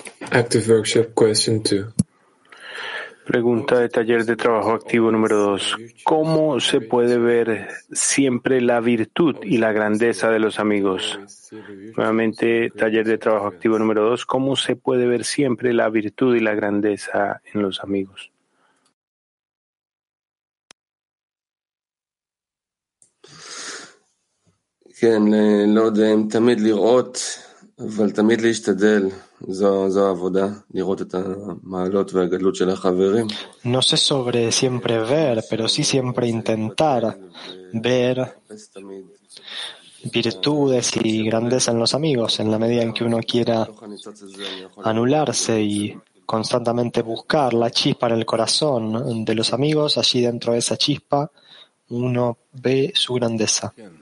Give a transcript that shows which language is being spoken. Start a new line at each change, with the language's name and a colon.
English: Active workshop question 2.
Spanish: Pregunta de taller de trabajo activo número 2. ¿Cómo se puede ver siempre la virtud y la grandeza de los amigos? Nuevamente, taller de trabajo activo número 2. ¿Cómo se puede ver siempre la virtud y la grandeza en los amigos?
Hebrew: כן, לא יודע, תמיד לראות, אבל תמיד להשתדל. Zo avoda, lirot eta ma'alot ve'agadlut shel ha'chaverim.
Spanish: No sé sobre siempre ver, pero sí siempre intentar ver virtudes y grandeza en los amigos, en la medida en que uno quiera anularse y constantemente buscar la chispa en el corazón de los amigos, allí dentro de esa chispa uno ve su grandeza.